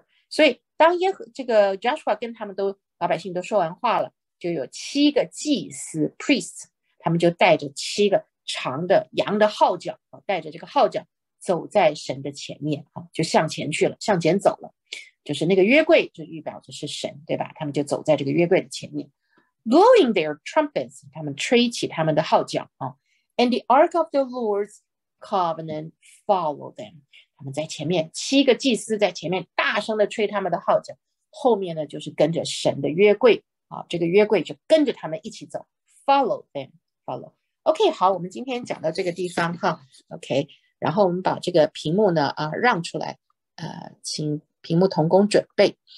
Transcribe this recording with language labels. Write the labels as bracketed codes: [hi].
[zh] 所以当这个 Joshua 跟他们都老百姓都说完话了，就有7个祭司 priests，他们就带着七个长的羊的号角，带着这个号角走在神的前面，就向前去了，向前走了。就是那个约柜就预表着是神，对吧？他们就走在这个约柜的前面。 [en] Blowing their trumpets, [zh] 他们吹起他们的号角。 [en] And the ark of the Lord's covenant followed them. [zh] 他们在前面，七个祭司在前面大声的吹他们的号角，后面呢就是跟着神的约柜。这个约柜就跟着他们一起走。 [en] Follow them, follow. [zh] OK, 好，我们今天讲到这个地方哈。OK, 然后我们把这个屏幕呢让出来，请屏幕同工准备。